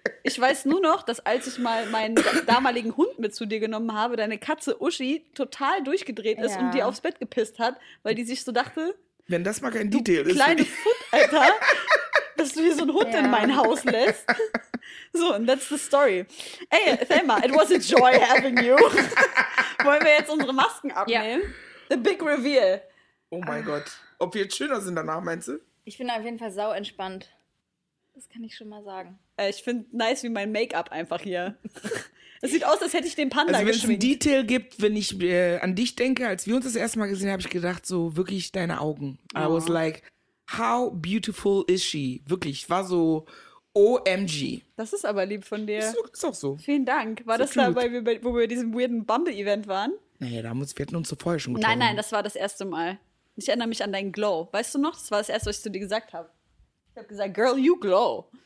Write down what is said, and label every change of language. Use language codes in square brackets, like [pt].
[de] Ich weiß nur noch, dass als ich mal meinen damaligen Hund mit zu dir genommen habe, deine Katze Uschi total durchgedreht ist und dir aufs Bett gepisst hat, weil die sich so dachte, wenn das mal kein Detail ist. Kleine Hund, Alter, dass du hier so einen Hund in mein Haus lässt. [en] So, and that's the story. Ey, Thelma, it was a joy having you. [de] Wollen wir jetzt unsere Masken abnehmen? [en] Yeah. The big reveal. [de] Oh mein Gott. Ob wir jetzt schöner sind danach, meinst du? Ich bin auf jeden Fall sau entspannt. Das kann ich schon mal sagen. Ich finde nice, wie mein Make-up einfach hier. Es sieht aus, als hätte ich den Panda also geschminkt. Also wenn es ein Detail gibt, wenn ich an dich denke, als wir uns das erste Mal gesehen haben, habe ich gedacht, so wirklich deine Augen. Oh. [en] I was like, how beautiful is she? [de] Wirklich, war so OMG. Das ist aber lieb von dir. Ist auch so. Vielen Dank. War so das cute. Da, wo wir bei diesem weirden Bumble-Event waren? Naja, wir hatten uns so vorher schon getroffen. Nein, das war das erste Mal. Ich erinnere mich an deinen Glow. Weißt du noch? Das war das erste, was ich zu dir gesagt habe. Ich habe gesagt, [en] girl, you glow.